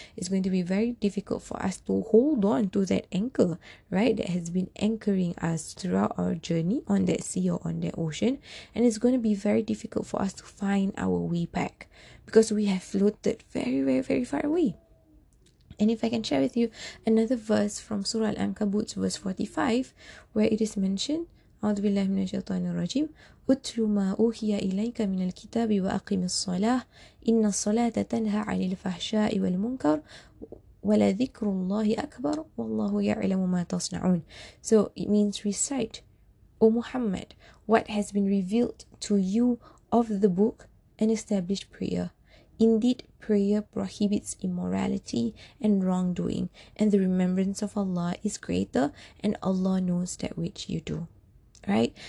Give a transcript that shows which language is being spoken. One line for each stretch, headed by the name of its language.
English: It's going to be very difficult for us to hold on to that anchor, right, that has been anchoring us throughout our journey on that sea or on that ocean. And it's going to be very difficult for us to find our way back because we have floated very, very, very far away. And if I can share with you another verse from Surah Al-Ankabut, verse 45, where it is mentioned,
Arabic: أعوذ بالله من الشيطان الرجيم أتلو ما أوحي إليك من الكتاب وأقم الصلاة إن الصلاة تنهى عن الفحشاء والمنكر ولذكر الله أكبر والله يعلم ما تصنعون.
English: So it means recite, O Muhammad, what has been revealed to you of the book and established prayer. Indeed, prayer prohibits immorality and wrongdoing, and the remembrance of Allah is greater, and Allah knows that which you do. Right?